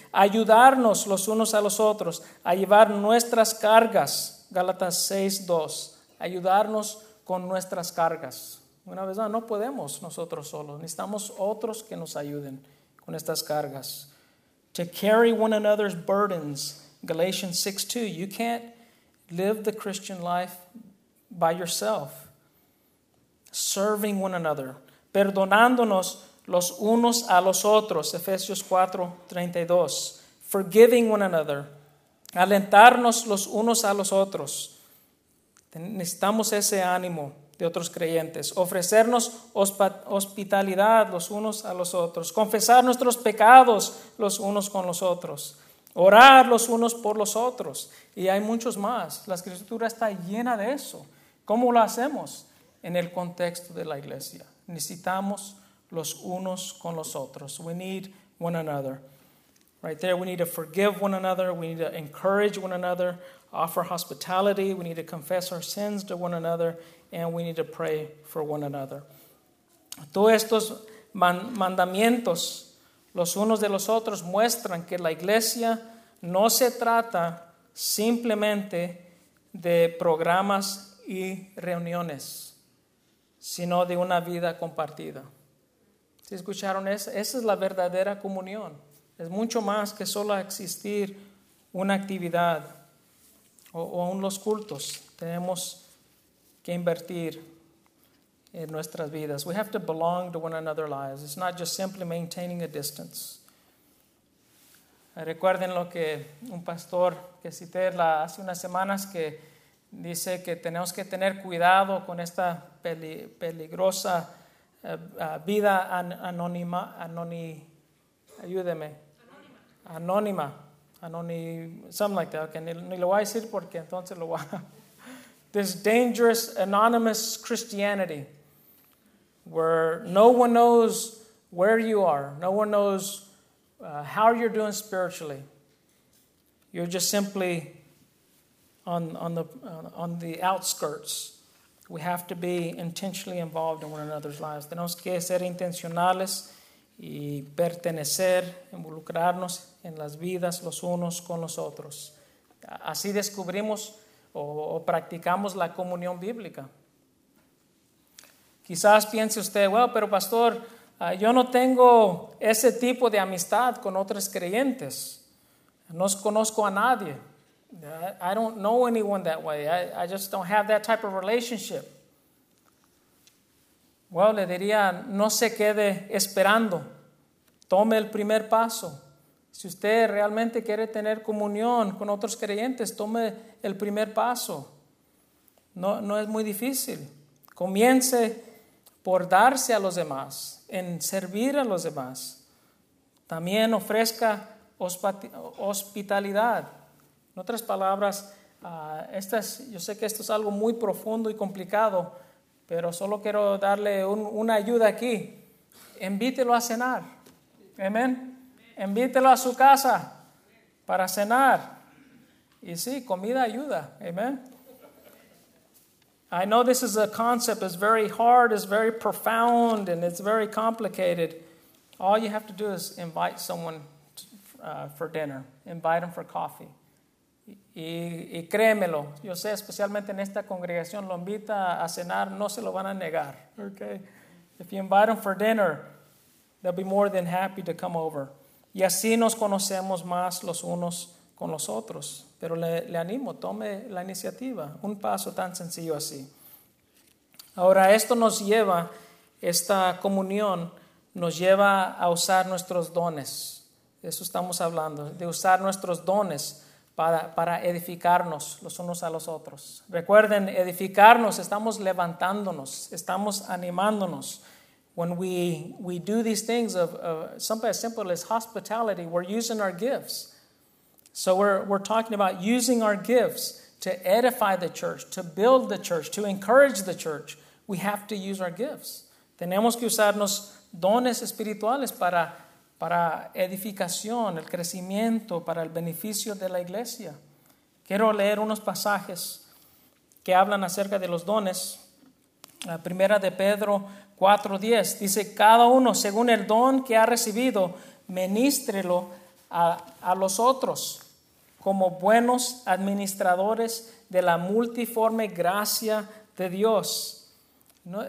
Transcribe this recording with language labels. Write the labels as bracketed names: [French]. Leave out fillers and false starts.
[Spanish] Ayudarnos los unos a los otros a llevar nuestras cargas, Gálatas 6:2. Ayudarnos con nuestras cargas. Una vez más, no podemos nosotros solos. Necesitamos otros que nos ayuden con estas cargas. [English] To carry one another's burdens, Galatians 6:2. You can't live the Christian life by yourself. Serving one another, [Spanish] perdonándonos los unos a los otros, Efesios 4:32. [English] Forgiving one another, [Spanish] alentarnos los unos a los otros. Necesitamos ese ánimo de otros creyentes. Ofrecernos hospitalidad los unos a los otros. Confesar nuestros pecados los unos con los otros. Orar los unos por los otros. Y hay muchos más. La Escritura está llena de eso. ¿Cómo lo hacemos? En el contexto de la iglesia. Necesitamos los unos con los otros. [English] We need one another. Right there, we need to forgive one another. We need to encourage one another. Offer hospitality. We need to confess our sins to one another. And we need to pray for one another. [Spanish] Todos estos mandamientos, los unos de los otros, muestran que la iglesia no se trata simplemente de programas y reuniones, sino de una vida compartida. ¿Sí escucharon eso? Esa es la verdadera comunión. Es mucho más que solo existir una actividad o aún los cultos. Tenemos que invertir en nuestras vidas. [English] We have to belong to one another's lives. It's not just simply maintaining a distance. [Spanish] Recuerden lo que un pastor que cité hace unas semanas que dice que tenemos que tener cuidado con esta peligrosa vida anónima. Ayúdeme. Anónima. [English] Something like that. [Spanish] Okay, ni lo voy a decir porque entonces lo voy a... [English] This dangerous anonymous Christianity where no one knows where you are. No one knows how you're doing spiritually. You're just simply on the outskirts. We have to be intentionally involved in one another's lives. [Spanish] Tenemos que ser intencionales y pertenecer, involucrarnos en las vidas los unos con los otros. Así descubrimos o practicamos la comunión bíblica. Quizás piense usted, bueno, pero pastor, yo no tengo ese tipo de amistad con otros creyentes. No conozco a nadie. [English] I don't know anyone that way. I just don't have that type of relationship. [Spanish] Well, le diría, no se quede esperando. Tome el primer paso. Si usted realmente quiere tener comunión con otros creyentes, tome el primer paso. No es muy difícil. Comience por darse a los demás, en servir a los demás. También ofrezca hospitalidad. En otras palabras, yo sé que esto es algo muy profundo y complicado, pero solo quiero darle una ayuda aquí. Invítelo a cenar. Amén. Invítelo a su casa para cenar. Y sí, comida ayuda. Amén. [English] I know this is a concept. It's very hard. It's very profound. And it's very complicated. All you have to do is invite someone for dinner. Invite them for coffee. [Spanish] Y créemelo, yo sé, especialmente en esta congregación, lo invita a cenar, no se lo van a negar. [English] Okay. If you invite them for dinner, they'll be more than happy to come over. [Spanish] Y así nos conocemos más los unos con los otros. Pero le animo, tome la iniciativa, un paso tan sencillo así. Ahora, esto nos lleva, esta comunión nos lleva a usar nuestros dones. De eso estamos hablando, de usar nuestros dones para edificarnos los unos a los otros. Recuerden, edificarnos, estamos levantándonos, estamos animándonos. [English] When we do these things of something as simple as hospitality, we're using our gifts. So we're talking about using our gifts to edify the church, to build the church, to encourage the church. We have to use our gifts. [Spanish] Tenemos que usarnos dones espirituales para edificación, el crecimiento, para el beneficio de la iglesia. Quiero leer unos pasajes que hablan acerca de los dones. La primera de Pedro 4:10 dice, cada uno según el don que ha recibido, ministrelo a los otros como buenos administradores de la multiforme gracia de Dios. ¿No?